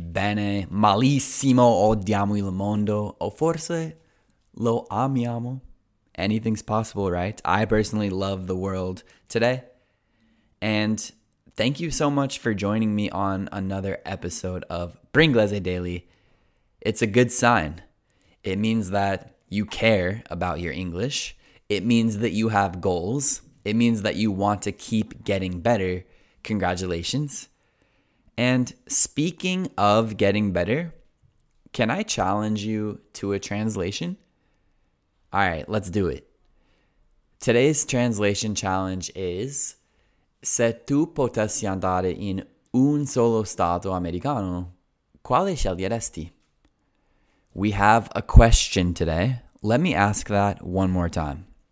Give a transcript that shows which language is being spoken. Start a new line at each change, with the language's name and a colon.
Italian: Bene, malissimo, odiamo il mondo, o forse lo amiamo?
English: Anything's possible, right? I personally love the world today. And thank you so much for joining me on another episode of Bringlese Daily. It's a good sign. It means that you care about your English. It means that you have goals. It means that you want to keep getting better. Congratulations. And speaking of getting better, can I challenge you to a translation? All right, let's do it. Today's translation challenge is:
Italian: se tu potessi andare in un solo stato americano, quale sceglieresti?
English: We have a question today. Let me ask that one more time.